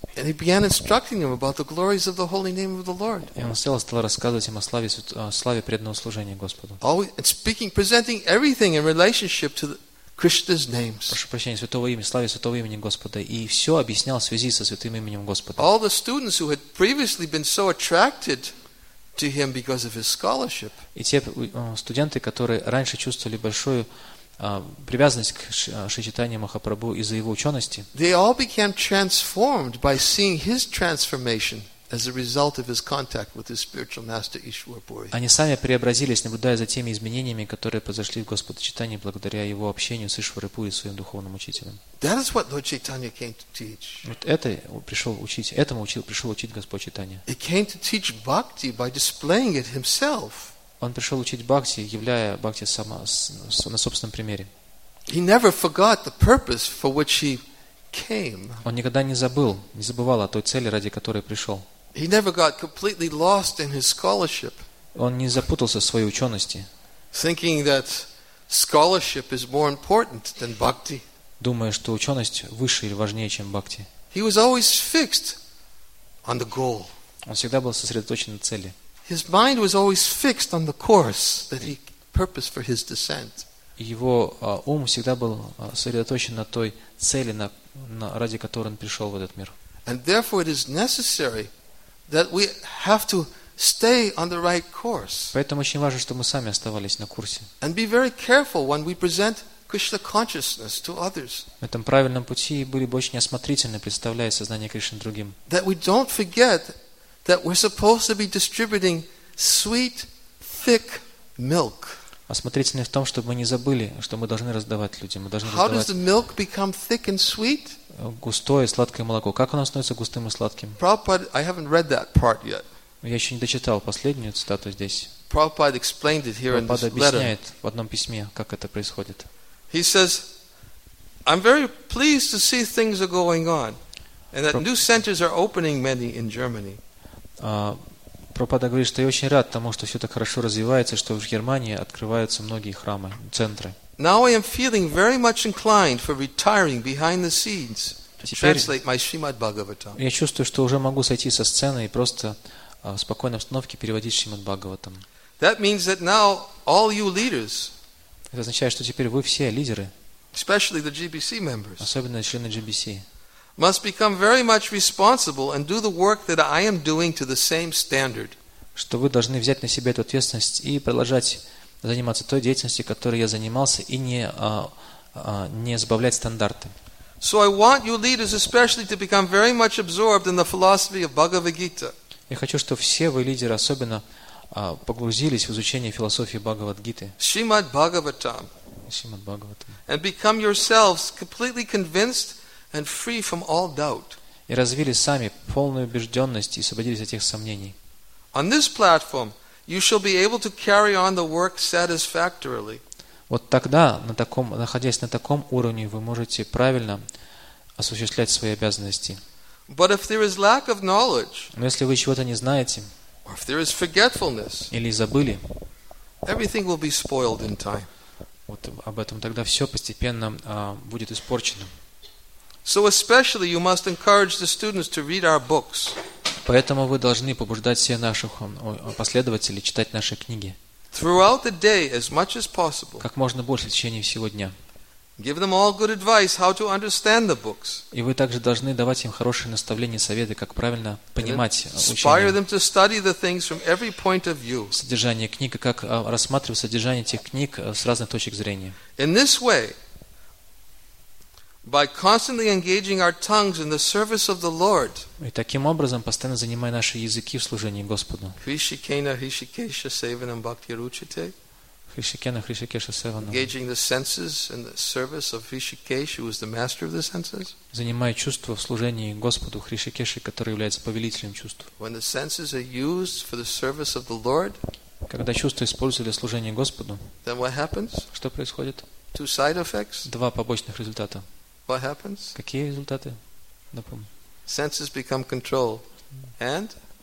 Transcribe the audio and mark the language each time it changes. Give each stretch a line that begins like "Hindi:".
English: And he began instructing them about the glories of the holy name of the Lord.
Russian: И он стал рассказывать им о славе преданного служения Господу.
English: Always speaking, presenting everything in relationship to the Krishna's names.
Russian: Прошу прощения, святого имени, славе святого имени Господа, и все объяснял в связи со святым именем Господа.
English: All the students who had previously been so attracted to him because of his scholarship.
Russian: И те студенты, которые раньше чувствовали большую привязанность к Шри Чайтанья Махапрабху из-за его учености.
English: They all became transformed by seeing his transformation as a result of his contact with his spiritual master Ishwar Puri.
Russian: Они сами преобразились, наблюдая за теми изменениями, которые произошли в Господе Чайтанье благодаря его общению с Ишварой Пури, своим духовным учителем.
English: That is what Lord Chaitanya came to teach.
Russian: Вот это пришел учить, этому учил, пришел учить Господь Чайтанья.
English: He came to teach bhakti by displaying it himself.
Russian: Он пришел учить бхакти, являя бхакти сама на собственном примере.
English: He never forgot the purpose for which he came.
Russian: Он никогда не забывал о той цели, ради которой пришел.
English: He never got completely lost in his scholarship.
Russian: Он не запутался в своей учености.
English: Thinking that scholarship is more important than bhakti.
Russian: Думая, что ученость выше или важнее, чем бхакти.
English: He was always fixed on the goal.
Russian: Он всегда был сосредоточен на цели.
English: His mind was always fixed on the course that he purposed for his descent.
Russian: Его ум всегда был сосредоточен на той цели, ради которой он пришел в этот мир.
English: And therefore it is necessary that we have to stay on the right course.
Russian: Поэтому очень важно, чтобы мы сами оставались на курсе.
English: And be very careful when we present Krishna consciousness to others.
Russian: В этом правильном пути были бы очень осмотрительны, представляя сознание Кришны другим.
English: That we don't forget that we're supposed to be distributing sweet, thick milk.
Russian: Осмотрительны в том, чтобы мы не забыли, что мы должны раздавать людям. Мы должны раздавать.
English: How does the milk become thick and sweet?
Russian: Густое и сладкое молоко. Как оно становится густым и сладким?
English: Prabhupada, I haven't read that part yet.
Russian: Я еще не дочитал последнюю цитату здесь.
English: Prabhupada explained it here in this letter.
Russian: Прабхупада объясняет в одном письме, как это происходит.
English: He says, "I'm very pleased to see things are going on, and that new centers are opening many in Germany."
Russian: Прабхупада говорит, что я очень рад тому, что все так хорошо развивается, что в Германии открываются многие храмы, центры.
English: Now I am feeling very much inclined for retiring behind the scenes to translate my Srimad Bhagavatam.
Russian: Я чувствую, что уже могу сойти со сцены и просто в спокойной обстановке переводить Шримад Бхагаватам.
English: That means that now all you leaders.
Russian: Это означает, что теперь вы все лидеры.
English: Especially the GBC members.
Russian: Особенно члены GBC.
English: Must become very much responsible and do the work that I am doing to the same standard.
Russian: Что вы должны взять на себя эту ответственность и продолжать заниматься той деятельностью, которой я занимался, и не сбавлять стандарты.
English: So I want you leaders especially to become very much absorbed in the philosophy of Bhagavad Gita.
Russian: Я хочу, чтобы все вы лидеры особенно погрузились в изучение философии Бхагавад Гиты. Шримад Бхагаватам. Шримад Бхагаватам.
English: And become yourselves completely convinced and free from all doubt.
Russian: И развили сами полную убежденность и освободились от этих сомнений.
English: On this platform, you shall be able to carry on the work satisfactorily.
Russian: Вот тогда, находясь на таком уровне, вы можете правильно осуществлять свои обязанности.
English: But if there is lack of knowledge,
Russian: но если вы чего-то не знаете,
English: or if there is forgetfulness,
Russian: или забыли,
English: everything will be spoiled in time.
Russian: Вот об этом тогда все постепенно будет испорчено.
English: So especially you must encourage the students to read our books.
Russian: Поэтому вы должны побуждать всех наших последователей читать наши книги.
English: Throughout the day as much as possible.
Russian: Как можно больше в течение всего дня.
English: Give them all good advice how to understand the books.
Russian: И вы также должны давать им хорошие наставления, советы, как правильно понимать учение.
English: Inspire them to study the things from every point of view.
Russian: Содержание книг, как рассматривать содержание этих книг с разных точек зрения.
English: In this way, by constantly engaging our tongues in the service of the Lord.
Russian: И таким образом постоянно занимая наши языки в служении Господу.
Sanskrit: Hrishikena, Hrishikesha, Sevanam, Bhakti Ruchite.
English: Engaging the senses in the service of Hrishikesh, who is the master of the senses.
Russian: Занимая чувства в служении Господу Хришикеши, который является повелителем чувств.
English: When the senses are used for the service of the Lord.
Russian: Когда чувства используются для служения Господу.
English: Then what happens?
Russian: Что происходит?
English: Two side effects.
Russian: Два побочных результата.
English: What happens?
Russian: Какие результаты?
English: Senses become controlled, and.